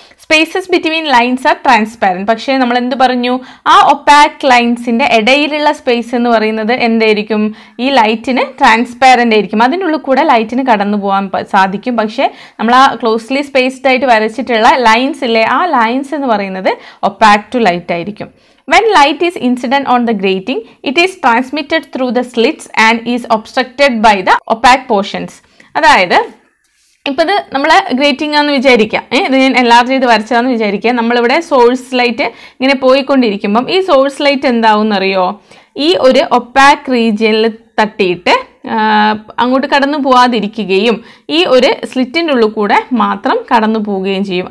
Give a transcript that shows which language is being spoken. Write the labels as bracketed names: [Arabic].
[English] Spaces between lines are transparent. [Malayalam] പക്ഷേ നമ്മൾ എന്ത് പറഞ്ഞു, ആ ഒപ്പാക് ലൈൻസിൻ്റെ ഇടയിലുള്ള സ്പേസ് എന്ന് പറയുന്നത് എന്തായിരിക്കും, ഈ ലൈറ്റിന് ട്രാൻസ്പാരൻ്റ് ആയിരിക്കും, അതിനുള്ളിൽ കൂടെ ലൈറ്റിന് കടന്നു പോകാൻ സാധിക്കും. പക്ഷേ നമ്മൾ ആ ക്ലോസ്ലി സ്പേസ്ഡ് ആയിട്ട് വരച്ചിട്ടുള്ള ലൈൻസ് ഇല്ലേ, ആ ലൈൻസ് എന്ന് പറയുന്നത് ഒപ്പാക് ടു ലൈറ്റ് ആയിരിക്കും. [English] When light is incident on the grating, it is transmitted through the slits and is obstructed by the opaque portions. [Malayalam] അതായത് ഇപ്പോൾ ഇത് നമ്മൾ ഗ്രേറ്റിംഗ് ആണെന്ന് വിചാരിക്കാം, ഇത് ഞാൻ എൻലാർജ് ചെയ്ത് വരച്ചതാന്ന് വിചാരിക്കുക. നമ്മളിവിടെ സോഴ്സ് ലൈറ്റ് ഇങ്ങനെ പോയിക്കൊണ്ടിരിക്കുമ്പം ഈ സോഴ്സ് ലൈറ്റ് എന്താവും എന്നറിയോ, ഈ ഒരു ഒപ്പാക് റീജിയനിൽ തട്ടിയിട്ട് അങ്ങോട്ട് കടന്നു പോവാതിരിക്കുകയും ഈ ഒരു സ്ലിറ്റിൻ്റെ ഉള്ളിൽ കൂടെ മാത്രം കടന്നു പോവുകയും ചെയ്യും.